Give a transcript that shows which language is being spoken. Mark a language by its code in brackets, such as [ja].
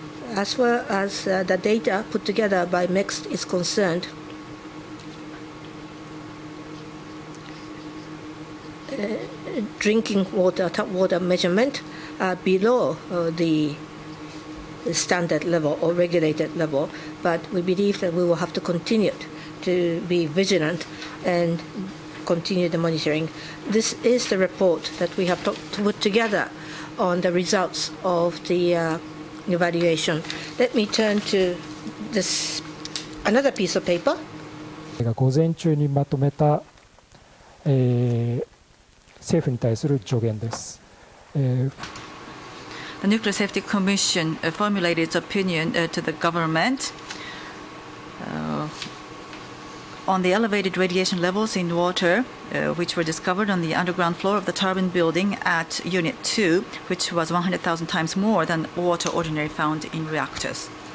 [en] As far as the data put together by MEXT is concerned, drinking water, tap water measurement are below the standard level or regulated level, but we believe that we will have to continue to be vigilant and continue the monitoring. This is the report that we have put together on the results of the evaluation. Let me turn to this another piece of paper. [ja] 午前中にまとめた、政府に対する助言です。 [en] The Nuclear Safety Commission formulated its opinion to the government on the elevated radiation levels in water which were discovered on the underground floor of the turbine building at Unit 2, which was 100,000 times more than water ordinarily found in reactors.